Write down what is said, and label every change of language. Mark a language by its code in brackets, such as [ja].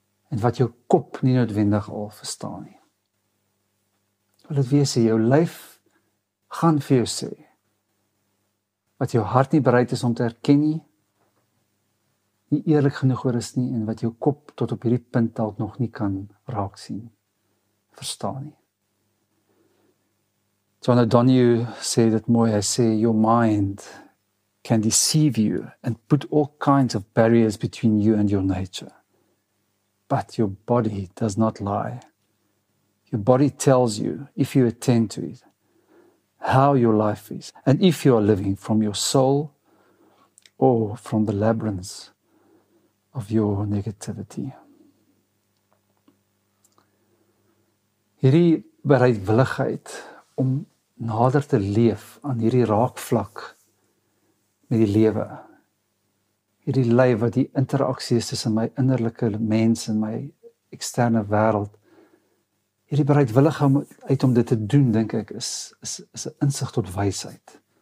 [af] En wat jou kop nie noodwendig al verstaan nie. Wil dit wees, jou lyf gaan vir jou sê wat jou hart nie bereid is om te erken nie, nie eerlik genoeg oor is nie, en wat jou kop tot op hierdie punt dalk nog nie kan raak sien, verstaan nie. [en] John O'Donoghue [af] sê dit mooi, hy sê, [en] your mind can deceive you and put all kinds of barriers between you and your nature. But your body does not lie. Your body tells you, if you attend to it, how your life is, and if you are living from your soul or from the labyrinths of your negativity. [af] Hierdie bereidwilligheid om nader te leef aan hierdie raakvlak met die lewe, hierdie lewe wat die interaksie is tussen my innerlike mens en my eksterne wêreld, hierdie bereidwilligheid uit om dit te doen, dink ek, is 'n insig tot wysheid.